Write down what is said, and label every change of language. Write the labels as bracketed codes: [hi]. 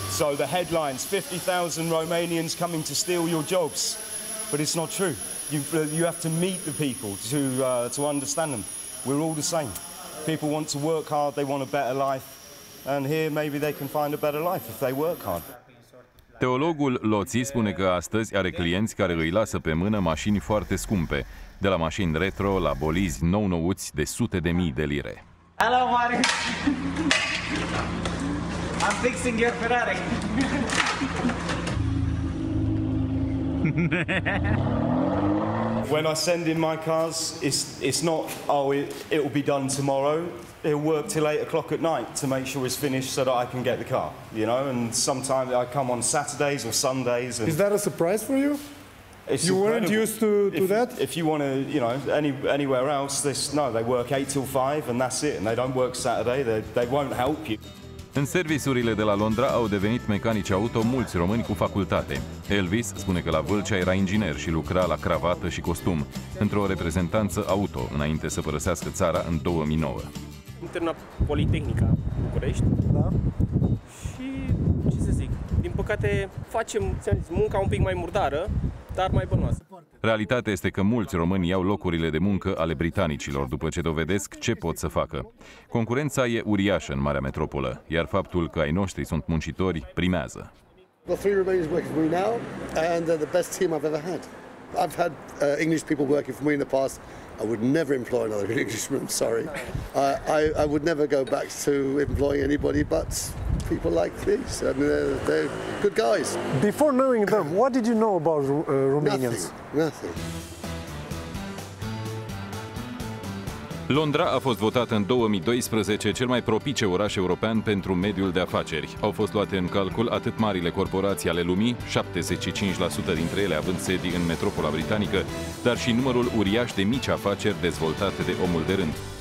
[en] So the headlines, 50,000 Romanians coming to steal your jobs. But it's not true. You have to meet the people to understand them. We're all the same. People want to work hard, they want a better life. And here maybe they can find a better life if they work hard. [ro] Teologul Loții spune că astăzi are clienți care îi lasă pe mână mașini foarte scumpe, de la mașini retro la bolizi nou-nouți de sute de mii de lire. [en] Hello, Marius! I'm fixing your Ferrari. When I send in my cars, it's not, it will be done tomorrow. It'll work till 8 o'clock at night to make sure it's finished so that I can get the car, you know? And sometimes I come on Saturdays or Sundays. And is that a surprise for you? It's you weren't used to that? If you want to, you know, anywhere else, they work 8 till 5 and that's it. And they don't work Saturday, they won't help you. [ro] În serviciurile de la Londra au devenit mecanici auto mulți români cu facultate. Elvis spune că la Vâlcea era inginer și lucra la cravată și costum, într-o reprezentanță auto, înainte să părăsească țara în 2009. Am terminat Politehnica București. Da. Și ce să zic, din păcate facem, ți-am zis, munca un pic mai murdară, dar mai bănoasă. Realitatea este că mulți români iau locurile de muncă ale britanicilor după ce dovedesc ce pot să facă. Concurența e uriașă în marea metropolă, iar faptul că ai noștri sunt muncitori primează. [en] The 3 Romanians working for me now and they're the best team I've ever had. I've had English people working for me in the past. I would never employ another Englishman, sorry. I would never go back to employing anybody, but people like these. I mean, they're good guys. Before knowing them, what did you know about Romanians? Nothing. [ro] Londra a fost votată în 2012 cel mai propice oraș european pentru mediul de afaceri. Au fost luate în calcul atât marile corporații ale lumii, 75% dintre ele având sedii în metropola britanică, dar și numărul uriaș de mici afaceri dezvoltate de omul de rând.